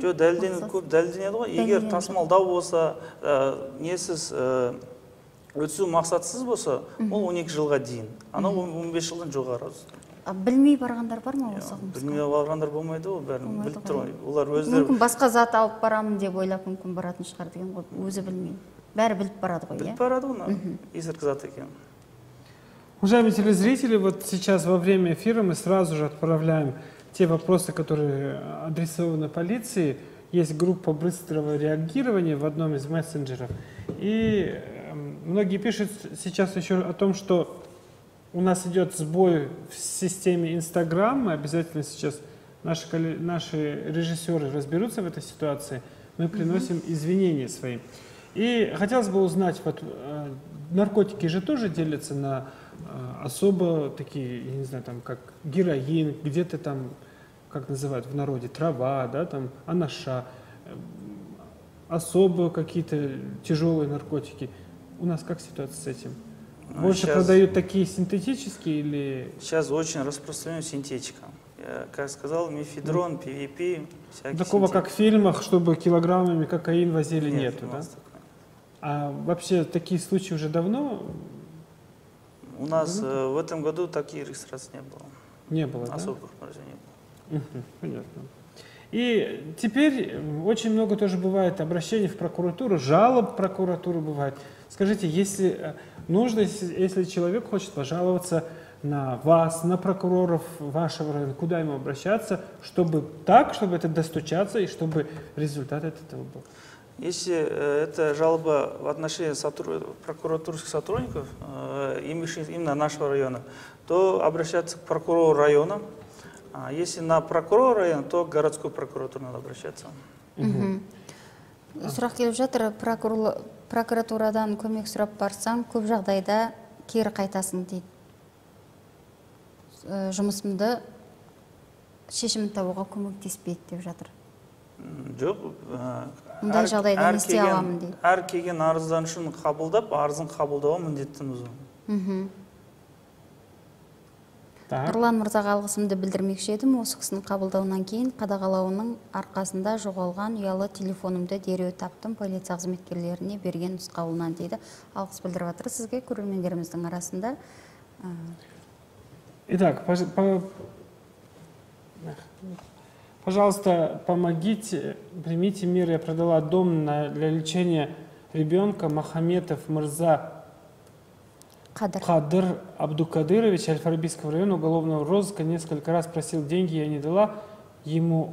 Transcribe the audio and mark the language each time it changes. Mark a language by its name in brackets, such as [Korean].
[Kazakh] Жоқ, дәлелденеді, көп дәлелденеді ғой. Егер тасымалдау болса, несіз өтісу мақсатсыз болса, ол 12 жылға дейін. Ана 15 жылдан жоғары. Білмей барғандар бар ма осы? Білмей барғандар болмайды ғой, бәрін біліп тұрмай. Олар өздері... Мүмкін басқа зат алып барамын деп ойлап, мүмкін баратын шығар деген ғой, өзі білмей. Бәрі біліп барады ғой, иә? Біліп барады ғой, есірткі зат екен. [Russian] Уважаемые телезрители, вот сейчас во время эфира мы сразу же отправляем те вопросы, которые адресованы полиции, есть группа быстрого реагирования в одном из мессенджеров. И многие пишут сейчас еще о том, что у нас идет сбой в системе Instagram. Мы обязательно сейчас, наши режиссеры разберутся в этой ситуации. Мы приносим извинения свои. И хотелось бы узнать, вот наркотики же тоже делятся на особо такие, я не знаю, там как героин, где-то там, как называют в народе, трава, да, там анаша, особо какие-то тяжелые наркотики. У нас как ситуация с этим? Больше сейчас продают такие синтетические или... Сейчас очень распространен синтетика. Я, как сказал, мефедрон, PVP, всякие. Такого, как в фильмах, чтобы килограммами кокаин возили, нету, да? А вообще такие случаи уже давно? У нас в этом году такие регистрации не было. Не было, особых, да? Особых не было. Понятно. И теперь очень много тоже бывает обращений в прокуратуру, жалоб в прокуратуру бывает. Скажите, если нужно, если человек хочет пожаловаться на вас, на прокуроров вашего района, куда ему обращаться, чтобы так, чтобы это достучаться и чтобы результат от этого был? Если это жалоба в отношении прокуратурских сотрудников, именно нашего района, то обращаться к прокурору района. А если на прокурор района, то к городской прокуратуре надо обращаться. [Kazakh] Сұрақ келіп жатыр, прокуратурадан көмек сұрап барсаң, көп жағдайда кері қайтасың дейді. Жұмысымды шешімін табуға көмектеспейді деп жатыр. Жоқ. Мұндай жағдайда не істей аламын дейді. Әр келген арызданушын қабылдап, арызын қабылдауға міндеттіміз ол. Нұрлан мырзаға алғысымды білдірмекші едім. Осы кісінің қабылдауынан кейін қадағалауының арқасында жоғалған ұялы телефонымды дереу таптым. Полиция қызметкерлеріне берген нұсқауынан дейді. Алғыс білдіріп отыр сізге көрермендеріміздің арасында. [Russian] Итак, пожалуйста, помогите, примите меры. Я продала дом для лечения ребенка Махаметов Мырза Кадыр Абдукадырович, Альфа-Арабийского района, уголовного розыска, несколько раз просил деньги, я не дала ему.